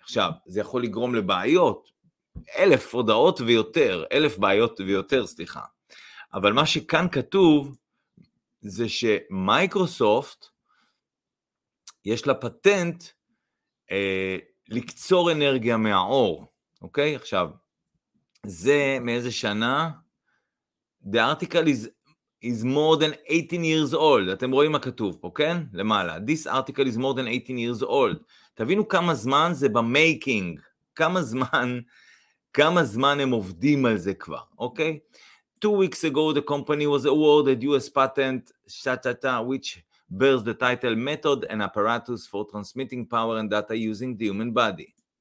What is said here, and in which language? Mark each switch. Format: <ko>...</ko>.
<he>עכשיו, זה יכול לגרום לבעיות, 1,000 הודעות ויותר, 1,000 בעיות ויותר, סליחה. אבל מה שכאן כתוב, זה שמייקרוסופט יש לה פטנט לקצור אנרגיה מהאור, אוקיי? עכשיו, זה מאיזה שנה?</he> <en>The article is more than 18 years old,</en> <he>אתם רואים מה כתוב פה, כן? למעלה,</he> <en>this article is more than 18 years old.</en> <he>תבינו כמה זמן זה במייקינג, כמה זמן הם עובדים על זה כבר, אוקיי?</he> <en>2 weeks ago, the company was awarded U.S. patent, which bears the title Method and Apparatus for Transmitting Power and Data Using the Human Body.</en>